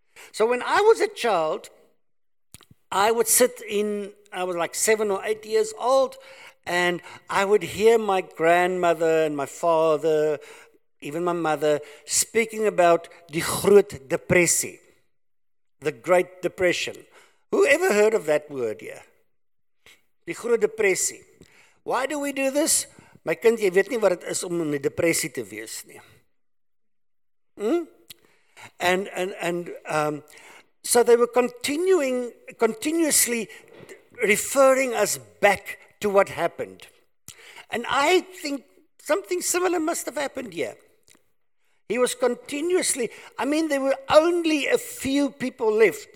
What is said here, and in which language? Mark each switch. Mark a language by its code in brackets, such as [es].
[en] So when I was a child, I would sit in, I was like 7 or 8 years old, and I would hear my grandmother and my father, even my mother, speaking about [af] die groot depressie, [en] the Great Depression. Who ever heard of that word here? [af] Die groot depressie. [en] Why do we do this? [af] My kind, jy weet nie wat het is om in die depressie te wees nie. [en] And so they were continuously referring us back to what happened. And I think something similar must have happened here. He was continuously, I mean, there were only a few people left.